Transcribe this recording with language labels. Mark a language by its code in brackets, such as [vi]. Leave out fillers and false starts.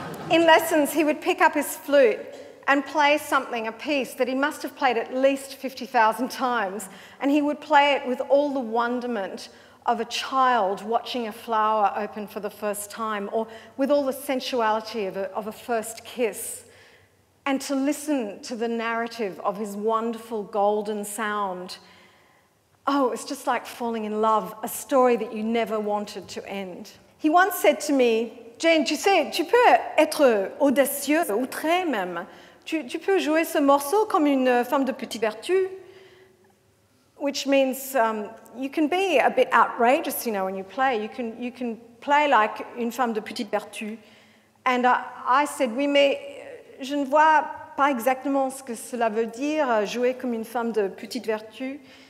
[en] In lessons, he would pick up his flute and play something, a piece that he must have played at least 50,000 times, and he would play it with all the wonderment of a child watching a flower open for the first time, or with all the sensuality of a first kiss. And to listen to the narrative of his wonderful golden sound, oh, it's just like falling in love, a story that you never wanted to end. He once said to me, [fr] Jane, tu sais, tu peux être audacieux, outré même. Tu peux jouer ce morceau comme une femme de petite vertu. [en] Which means you can be a bit outrageous, you know, when you play. You can play like [fr] une femme de petite vertu. [en] And I said, [fr] oui, mais je ne vois pas exactement ce que cela veut dire, jouer comme une femme de petite vertu.